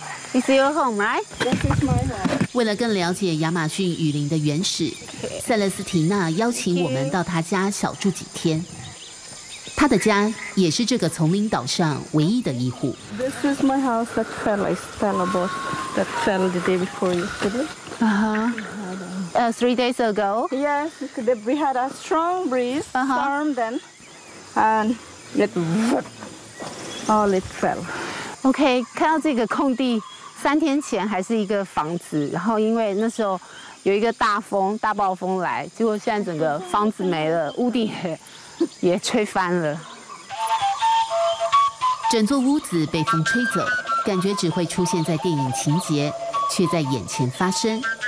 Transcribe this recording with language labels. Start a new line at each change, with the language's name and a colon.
English: This is your home, right? This is my home.
Chinese: 为了更了解亚马逊雨林的原始，塞勒斯提娜邀请我们到她家小住几天。她的家也是这个丛林岛上唯一的一户。
English: This is my house that fell. It fell about that fell the day before yesterday. Uh-huh. Three days ago. Yes, we had a strong breeze, storm then, and it all it fell.
Chinese: Okay, 看到这个空地。三天前还是一个房子，然后因为那时候有一个大风大暴风来，结果现在整个房子没了，屋顶 也吹翻了，整座屋子被风吹走，感觉只会出现在电影情节，却在眼前发生。